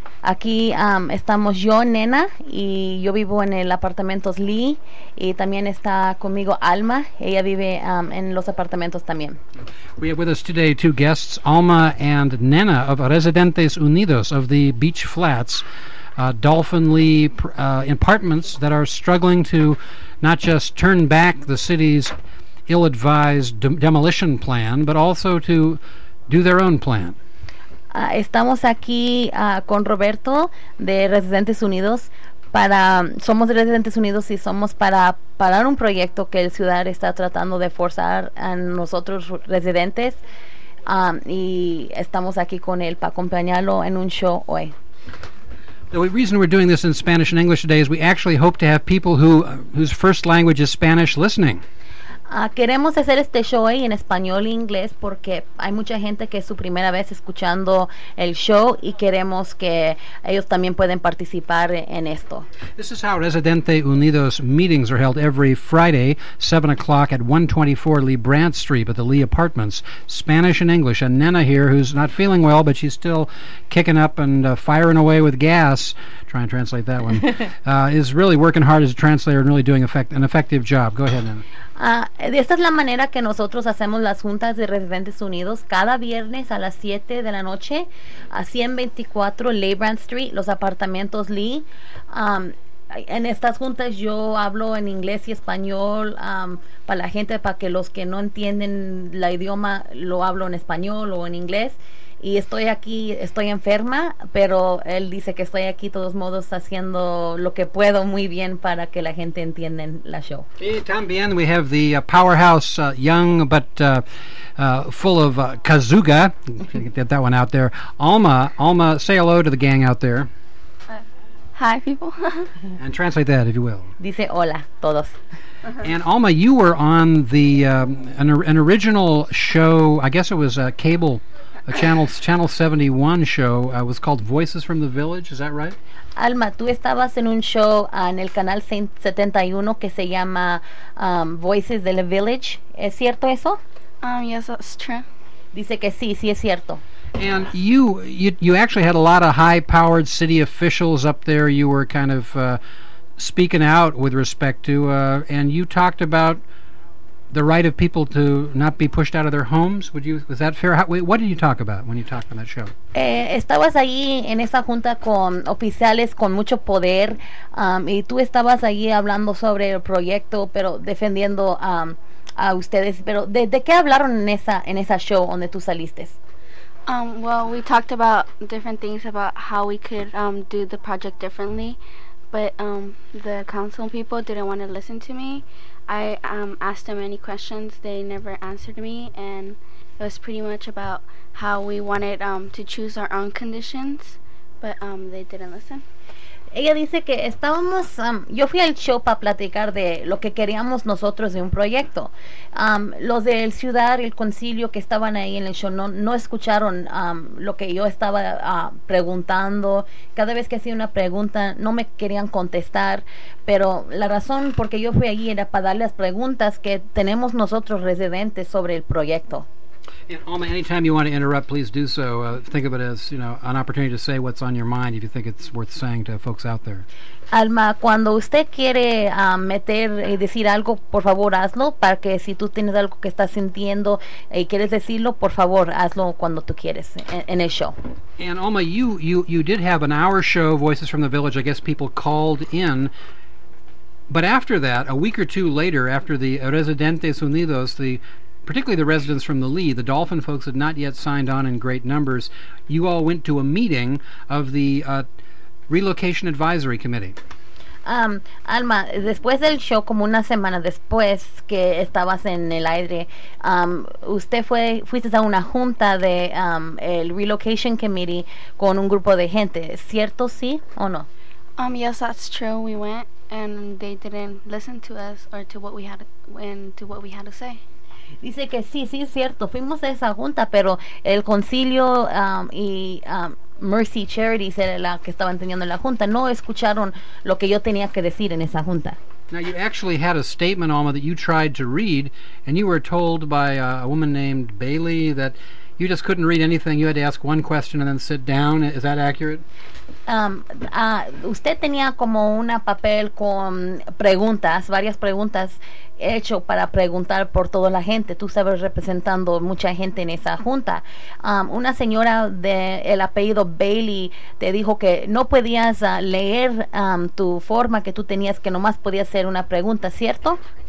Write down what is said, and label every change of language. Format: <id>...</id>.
<es>Aquí estamos yo, Nena, y yo vivo en el apartamento Lee, y también está conmigo Alma. Ella vive en los apartamentos también.</es> <en>We have with us today two guests, Alma and Nena of Residentes Unidos of the Beach Flats. Dolphin Lee apartments that are struggling to not just turn back the city's ill-advised demolition plan, but also to do their own plan.</en> <es>Estamos aquí con Roberto de Residentes Unidos. Somos de Residentes Unidos y somos para parar un proyecto que el ciudad está tratando de forzar a nosotros residentes. Y estamos aquí con él para acompañarlo en un show hoy.</es> <en>The reason we're doing this in Spanish and English today is we actually hope to have people whose first language is Spanish listening.</en> <es>Queremos hacer este show hoy en español e inglés porque hay mucha gente que es su primera vez escuchando el show y queremos que ellos también puedan participar en esto.</es> <en>This is how Residente Unidos meetings are held every Friday, 7 o'clock at 124 Lee Brandt Street at the Lee Apartments, Spanish and English. And Nena here, who's not feeling well, but she's still kicking up and firing away with gas, try and translate that one, is really working hard as a translator and really doing an effective job. Go ahead, Nena.</en> <es>Esta es la manera que nosotros hacemos las juntas de Residentes Unidos cada viernes a las 7 de la noche a 124 Lee Brandt Street, los apartamentos Lee. En estas juntas yo hablo en inglés y español para la gente, para que los que no entienden la idioma lo hablo en español o en inglés. Y estoy aquí, estoy enferma, pero él dice que estoy aquí, todos modos, haciendo lo que puedo muy bien para que la gente entienda la show. Y también</es> <en>we have the powerhouse, young but full of kazuga. Get that one out there. Alma, say hello to the gang out there. Hi, people. And translate that, if you will.</en> <es>Dice hola, todos. Uh-huh.</es> <en>And Alma, you were on the an original show, I guess it was a cable, a Channel 71 show, was called Voices from the Village, is that right?</en> <es>Alma, tú estabas en un show en el Canal 71 que se llama Voices de la Village, ¿es cierto eso?</es> <en>Yes, that's true.</en> <es>Dice que sí, sí es cierto.</es> <en>And you actually had a lot of high-powered city officials up there you were kind of speaking out with respect to, and you talked about the right of people to not be pushed out of their homes. Was that fair? What did you talk about when you talked on that show?</en> <es>Estabas ahí en esa junta con oficiales con mucho poder, y tú estabas ahí hablando sobre el proyecto, pero defendiendo a ustedes. Pero ¿de qué hablaron en esa show donde tú saliste?</es> <en>Well, we talked about different things about how we could do the project differently, but the council people didn't want to listen to me. I asked them any questions, they never answered me, and it was pretty much about how we wanted to choose our own conditions, but they didn't listen.</en> <es>Ella dice que estábamos, yo fui al show para platicar de lo que queríamos nosotros de un proyecto. Los del ciudad, el concilio que estaban ahí en el show no escucharon lo que yo estaba preguntando. Cada vez que hacía una pregunta no me querían contestar, pero la razón por que yo fui allí era para darle las preguntas que tenemos nosotros residentes sobre el proyecto.</es> <en>Alma, anytime you want to interrupt, please do so. Think of it as, you know, an opportunity to say what's on your mind if you think it's worth saying to folks out there.</en> <es>Alma, cuando usted quiere meter y decir algo, por favor, hazlo, para que si tú tienes algo que estás sintiendo y quieres decirlo, por favor, hazlo cuando tú quieres en el show.</es> <en>And Alma, you did have an hour show, Voices from the Village. I guess people called in. But after that, a week or two later, after the Residentes Unidos, particularly the residents from the Lee, the Dolphin folks had not yet signed on in great numbers. You all went to a meeting of the Relocation Advisory Committee.</en> <es>Alma, después del show, como una semana después que estabas en el aire, usted fuiste a una junta de el Relocation Committee con un grupo de gente. ¿Cierto, sí o no?</es> <en>Yes, that's true. We went and they didn't listen to us or to what we had to say.</en> <es>Dice que sí, sí, es cierto. Fuimos a esa junta, pero el concilio y Mercy Charities era la que estaban teniendo la junta. No escucharon lo que yo tenía que decir en esa junta.</es> <en>Now, you actually had a statement, Alma, that you tried to read, and you were told by a woman named Bailey that you just couldn't read anything. You had to ask one question and then sit down. Is that accurate?</en> <es>Usted tenía como una papel con preguntas, varias preguntas, hecho para preguntar por toda la gente. Tú sabes, representando mucha gente en esa junta. Una señora de el apellido Bailey te dijo que no podías leer tu forma que tú tenías, que nomás podías hacer una pregunta, ¿cierto?</es>